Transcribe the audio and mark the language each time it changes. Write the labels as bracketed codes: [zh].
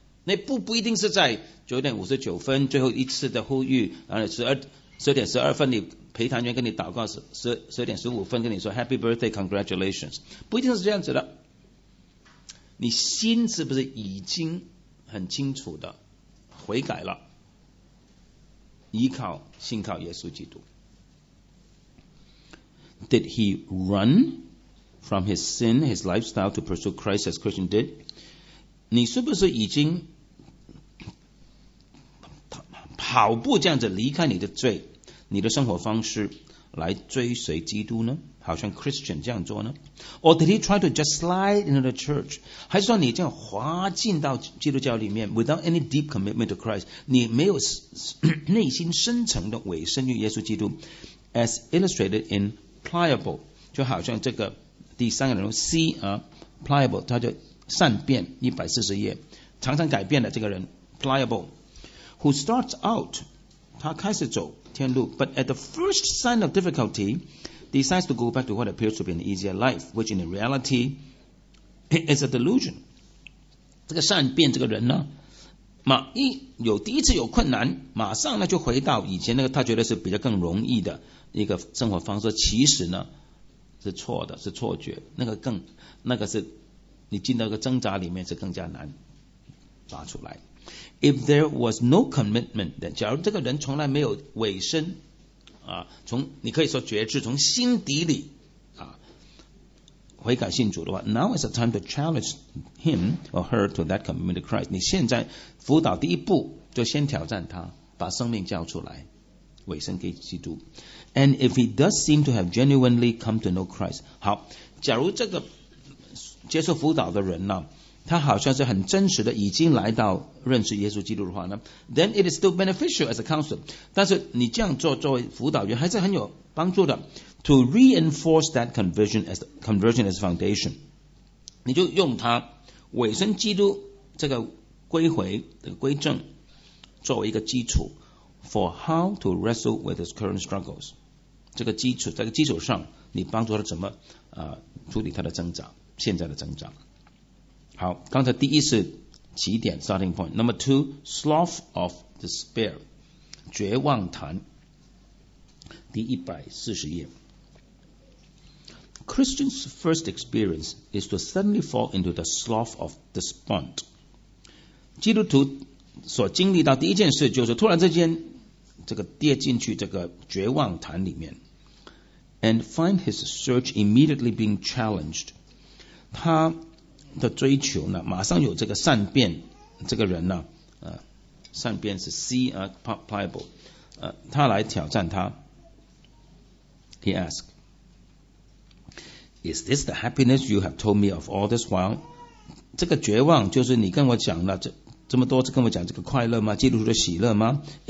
[zh] 那不一定是在9:59最后一次的呼吁，然后12:12你陪堂员跟你祷告，12:15跟你说 [en] Happy Birthday Congratulations， [zh] 不一定是这样子的。你心是不是已经很清楚的悔改了，依靠信靠耶稣基督？ [en] Did he run from his sin, his lifestyle to pursue Christ as Christian did？ [zh] 你是不是已经跑步这样子离开你的罪，你的生活方式来追随基督呢？好像 Christian 这样做呢？ [en] Or did he try to just slide into the church？ [zh] 还是说你这样滑进到基督教里面 [en] without any deep commitment to Christ， [zh] 你没有内心深层的委身于耶稣基督？ [en] As illustrated in Pliable， [zh] 就好像这个第三个人物 C、Pliable， 他就善变140页，常常改变的这个人 Pliable， [en] who starts out， [zh] 他开始走天路， [en] but at the first sign of difficulty decides to go back to what appears to be an easier life， which in reality is a delusion。 [zh] 这个善变这个人呢，马一有第一次有困难，马上呢就回到以前那个他觉得是比较更容易的一个生活方式，其实呢是错的，是错觉，那个更那个是你进到一个挣扎里面是更加难抓出来。 [en] If there was no commitment, then [zh] 假如这个人从来没有委身，啊，从你可以说觉知，从心底里啊悔改信主的话 ， [en] now is the time to challenge him or her to that commitment to Christ。 [zh] 你现在辅导第一步就先挑战他，把生命交出来，委身给基督。 [en] And if he does seem to have genuinely come to know Christ， [zh] 好，假如这个接受辅导的人呢，他好像是很真实的已经来到认识耶稣基督的话呢， [en] then it is still beneficial as a counselor， [zh] 但是你这样做作为辅导员还是很有帮助的， [en] to reinforce that conversion as foundation， [zh] 你就用他委身基督这个归回的归正作为一个基础 [en] for how to wrestle with his current struggles， [zh] 这个基础，这个基础上你帮助他怎么处理他的挣扎，现在的挣扎。好，刚才第一是起点 [en] starting point， number two sloth of despair， [zh] 绝望谈，第140页。 [en] Christian's first experience is to suddenly fall into the sloth of despond， [zh] 基督徒所经历到第一件事就是突然之间这个跌进去这个绝望谈里面， [en] and find his search immediately being challenged， [zh] 他的追求呢马上有这个善变，这个人呢善变是 C Pliable， 他来挑战他。 [en] He asked， Is this the happiness you have told me of all this while？ [zh] 这个绝望就是你跟我讲了 这么多次跟我讲这个快乐吗，基督徒的喜乐吗？